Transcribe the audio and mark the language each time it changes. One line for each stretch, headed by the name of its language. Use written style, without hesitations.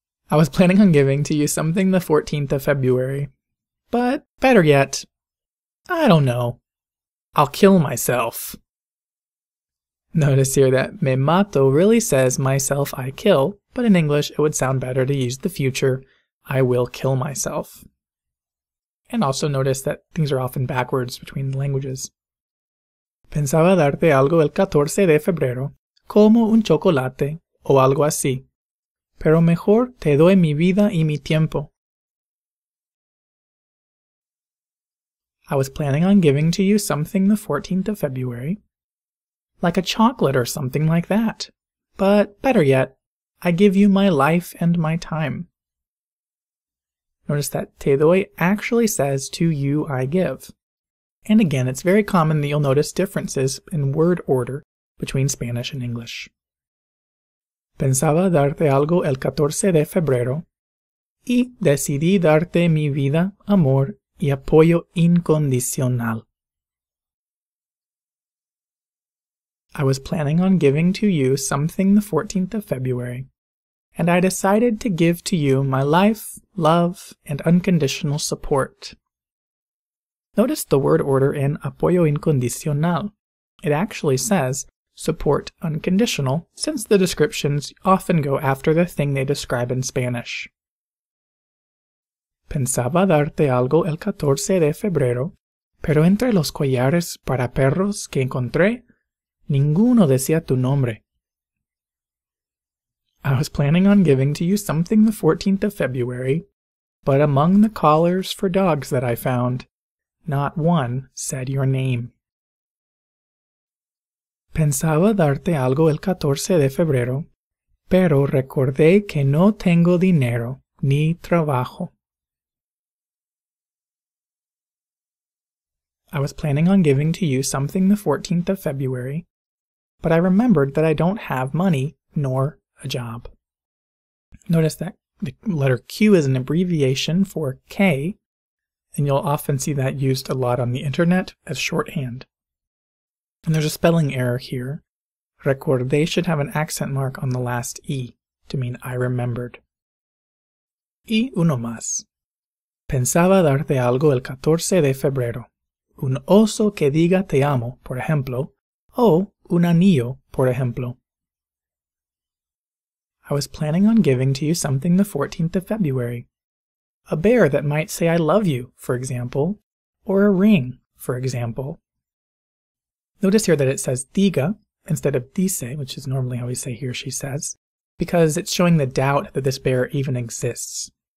English: I was planning on giving to you something the 14th of February, but better yet, I don't know, I'll kill myself. Notice here that
Spanish: me mato
English: really says myself I kill, but in English it would sound better to use the future, I will kill myself. And also notice that things are often backwards between languages.
Spanish: Pensaba darte algo el 14 de febrero, como un chocolate o algo así. Pero mejor te doy mi vida y mi tiempo.
English: I was planning on giving to you something the 14th of February, like a chocolate or something like that. But better yet, I give you my life and my time. Notice that
Spanish: te doy
English: actually says to you I give. And again, it's very common that you'll notice differences in word order between Spanish and English.
Spanish: Pensaba darte algo el 14 de febrero y decidí darte mi vida, amor y apoyo incondicional.
English: I was planning on giving to you something the 14th of February, and I decided to give to you my life, love, and unconditional support. Notice the word order in
Spanish: apoyo incondicional.
English: It actually says support unconditional, since the descriptions often go after the thing they describe in Spanish.
Spanish: Pensaba darte algo el 14 de febrero, pero entre los collares para perros que encontré, ninguno decía tu nombre.
English: I was planning on giving to you something the 14th of February, but among the collars for dogs that I found, not one said your name.
Spanish: Pensaba darte algo el 14 de febrero, pero recordé que no tengo dinero ni trabajo.
English: I was planning on giving to you something the 14th of February, but I remembered that I don't have money nor a job. Notice that the letter Q is an abbreviation for K, and you'll often see that used a lot on the internet as shorthand. And there's a spelling error here. Recordé should have an accent mark on the last E to mean I remembered.
Spanish: Y uno más. Pensaba darte algo el 14 de febrero. Un oso que diga te amo, por ejemplo, o un anillo, por ejemplo.
English: I was planning on giving to you something the 14th of February. A bear that might say I love you, for example, or a ring, for example. Notice here that it says diga instead of dice, which is normally how we say he or she says, because it's showing the doubt that this bear even exists.